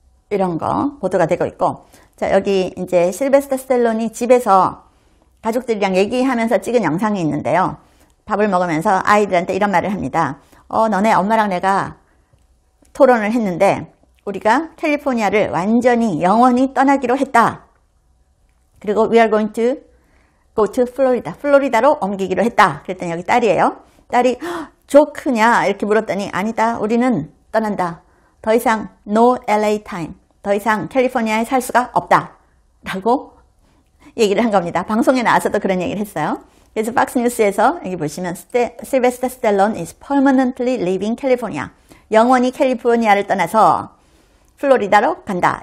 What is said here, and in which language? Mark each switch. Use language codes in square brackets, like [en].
[ko] 이런 거 보도가 되고 있고, 자, 여기 이제 실베스터 스텔론이 집에서 가족들이랑 얘기하면서 찍은 영상이 있는데요. 밥을 먹으면서 아이들한테 이런 말을 합니다. 너네 엄마랑 내가 토론을 했는데 우리가 캘리포니아를 완전히 영원히 떠나기로 했다. 그리고 [en] we are going to go to Florida. [ko] 플로리다로 옮기기로 했다. 그랬더니 여기 딸이에요. 딸이 조크냐 이렇게 물었더니 아니다. 우리는 떠난다. 더 이상 [en] no LA time. [ko] 더 이상 캘리포니아에 살 수가 없다. 라고 얘기를 한 겁니다. 방송에 나와서도 그런 얘기를 했어요. 그래서 박스 뉴스에서 여기 보시면 실베스터 스텔론 [en] is permanently leaving California. [ko] 영원히 캘리포니아를 떠나서 플로리다로 간다.